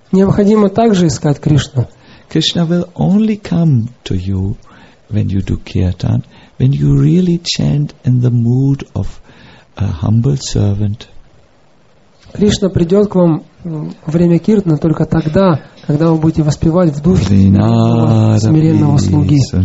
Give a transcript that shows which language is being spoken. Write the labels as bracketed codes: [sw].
[ru] Необходимо также искать Кришну. [en] Krishna will only come to you when you do kirtan, when you really chant in the mood of a humble servant. [ru] Кришна придет к вам во время киртана только тогда, когда вы будете воспевать в духе смиренного слуги.